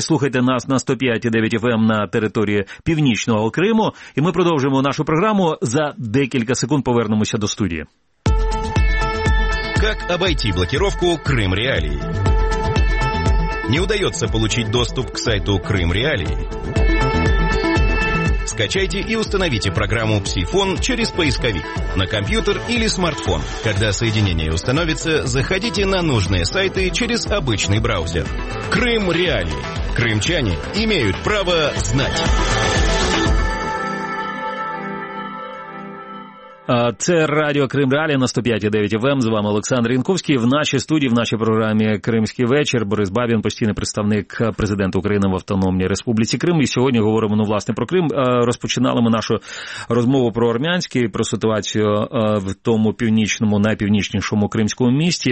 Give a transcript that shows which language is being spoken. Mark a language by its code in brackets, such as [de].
[uk] Слухайте нас на 105.9 FM на території Північного Криму. І ми продовжимо нашу програму. За декілька секунд повернемося до студії. Як обійти блокировку Крим Реалії? Не удається отримати доступ к сайту Крим Реалії? [ru] Скачайте и установите программу PsiFon через поисковик на компьютер или смартфон. Когда соединение установится, заходите на нужные сайты через обычный браузер. Крым Реалии. Крымчане имеют право знать. [uk] Це Радіо Крим Реалі на 105.9 FM. З вами Олександр Янковський. В нашій студії, в нашій програмі «Кримський вечір» Борис Бабін, постійний представник президента України в Автономній Республіці Крим. І сьогодні говоримо, ну, власне, про Крим. Розпочинали ми нашу розмову про армянський, про ситуацію в тому північному, найпівнічнішому кримському місті.